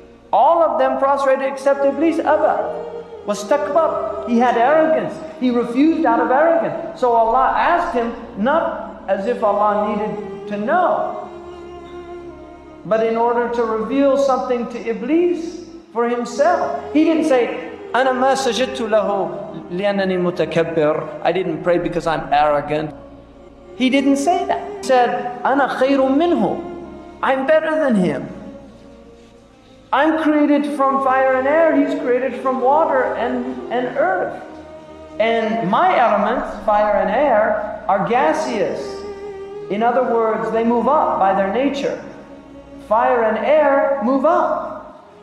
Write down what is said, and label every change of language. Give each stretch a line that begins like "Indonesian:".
English: All of them prostrated except Iblis.
Arabic: أَبَى وَاسْتَكْبَرُ.
English: He had arrogance. He refused out of arrogance. So Allah asked him, not as if Allah needed to know, but in order to reveal something to Iblis for himself. He didn't say,
Arabic: أَنَا مَا سَجَدْتُ لَهُ لِأَنَّنِي مُتَكَبِّرُ.
English: I didn't pray because I'm arrogant. He didn't say that. He said,
Arabic: أَنَا خَيْرٌ مِّنْهُ.
English: I'm better than him. I'm created from fire and air. He's created from water and earth. And my elements, fire and air, are gaseous. In other words, they move up by their nature. Fire and air move up.